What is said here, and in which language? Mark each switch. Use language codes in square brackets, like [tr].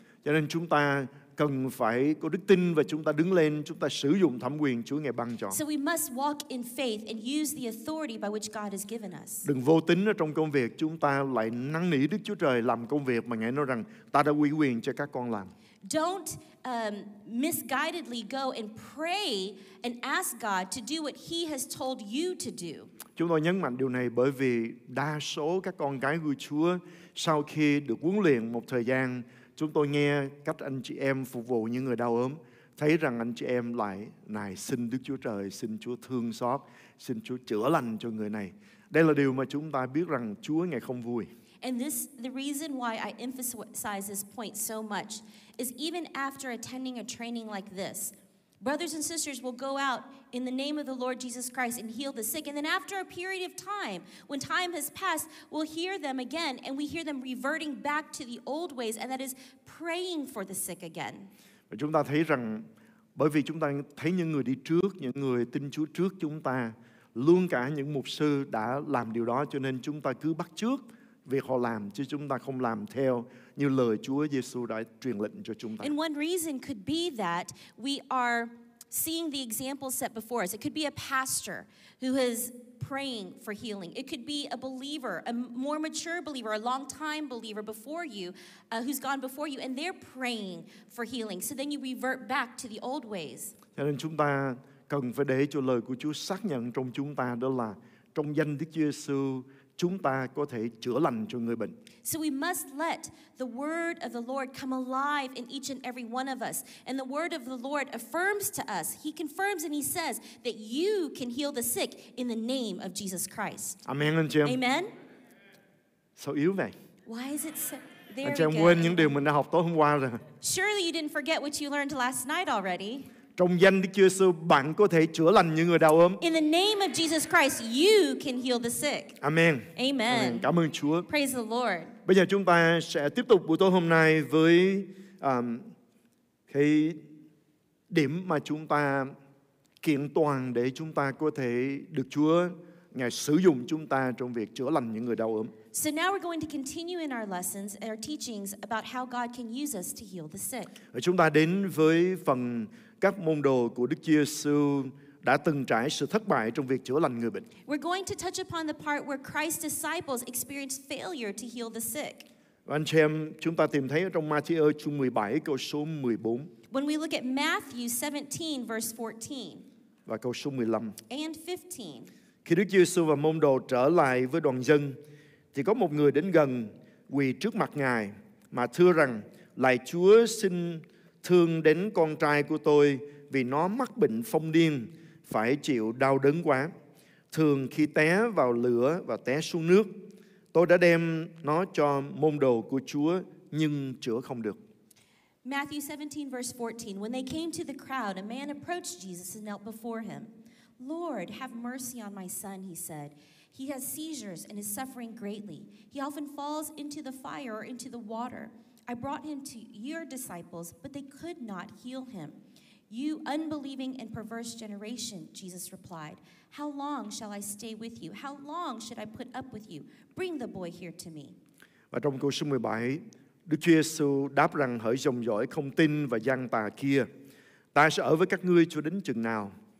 [vi] Cho nên chúng ta cần phải có đức tin và chúng ta đứng lên, chúng ta sử dụng thẩm quyền Chúa Ngài ban cho. [en] So we must walk in faith and use the authority by which God has given us. [vi] Đừng vô tín ở trong công việc, chúng ta lại năn nỉ Đức Chúa Trời làm công việc mà Ngài nói rằng ta đã ủy quyền cho các con làm. [en] Don't misguidedly go and pray and ask God to do what He has told you to do. [vi] Chúng tôi nhấn mạnh điều này bởi vì đa số các con cái của Chúa sau khi được huấn luyện một thời gian, chúng tôi nghe cách anh chị em phục vụ những người đau ốm, thấy rằng anh chị em lại nài xin Đức Chúa Trời, xin Chúa thương xót, xin Chúa chữa lành cho người này. Đây là điều mà chúng ta biết rằng Chúa Ngài không vui. [en] And this, the reason why I emphasize this point so much is even after attending a training like this, brothers and sisters will go out in the name of the Lord Jesus Christ and heal the sick. And then after a period of time, when time has passed, we'll hear them again and we hear them reverting back to the old ways, and that is praying for the sick again. [vi] Và chúng ta thấy rằng, bởi vì chúng ta thấy những người đi trước, những người tin Chúa trước chúng ta, luôn cả những mục sư đã làm điều đó, cho nên chúng ta cứ bắt chước việc họ làm chứ chúng ta không làm theo như lời Chúa Giêsu đã truyền lệnh cho chúng ta. [en] And one reason could be that we are seeing the example set before us. It could be a pastor who has praying for healing. It could be a believer, a more mature believer, a long time believer before you, who's gone before you, and they're praying for healing. So then you revert back to the old ways. [vi] Cho nên chúng ta cần phải để cho lời của Chúa xác nhận trong chúng ta, đó là trong danh Đức Chúa Giêsu chúng ta có thể chữa lành cho người bệnh. [en] So we must let the word of the Lord come alive in each and every one of us. And the word of the Lord affirms to us, He confirms and He says that you can heal the sick in the name of Jesus Christ. [vi] Amen, anh chị em. Amen. Sao yếu vậy? [en] Why is it so? [vi] There anh chị em quên những điều mình đã học tối hôm qua rồi. [en] Surely you didn't forget what you learned last night already. [vi] Trong danh Đức Chúa Jesus, bạn có thể chữa lành những người đau ốm. [en] In the name of Jesus Christ, you can heal the sick. Amen. Amen. Amen. [vi] Cảm ơn Chúa. [en] Praise the Lord. [vi] Bây giờ chúng ta sẽ tiếp tục buổi tối hôm nay với cái điểm mà chúng ta kiện toàn để chúng ta có thể được Chúa Ngài sử dụng chúng ta trong việc chữa lành những người đau ốm. [en] So now we're going to continue in our lessons and our teachings about how God can use us to heal the sick. [vi] Chúng ta đến với phần các môn đồ của Đức Chúa Giêsu đã từng trải sự thất bại trong việc chữa lành người bệnh. [en] We're going to touch upon the part where Christ's disciples experienced failure to heal the sick. [vi] Và anh chị em, chúng ta tìm thấy ở trong Matthew chương 17 câu số 14. [en] When we look at Matthew 17 verse 14. [vi] Và câu số 15. [en] And 15. [vi] Khi Đức Giêsu và môn đồ trở lại với đoàn dân, thì có một người đến gần quỳ trước mặt Ngài mà thưa rằng: Lạy Chúa, xin thương đến con trai của tôi vì nó mắc bệnh phong điên, phải chịu đau đớn quá. Thường khi té vào lửa và té xuống nước, tôi đã đem nó cho môn đồ của Chúa nhưng chữa không được. [en] Matthew 17 verse 14. When they came to the crowd, a man approached Jesus and knelt before him. Lord, have mercy on my son, he said. He has seizures and is suffering greatly. He often falls into the fire or into the water. I brought him to your disciples, but they could not heal him. You unbelieving and perverse generation, Jesus replied, how long shall I stay with you? How long should I put up with you? Bring the boy here to me. [vi] Và trong câu số 17, Đức Chúa Giêsu đáp rằng: Hỡi dòng dõi không tin và gian tà kia, ta sẽ ở với các ngươi cho đến chừng nào?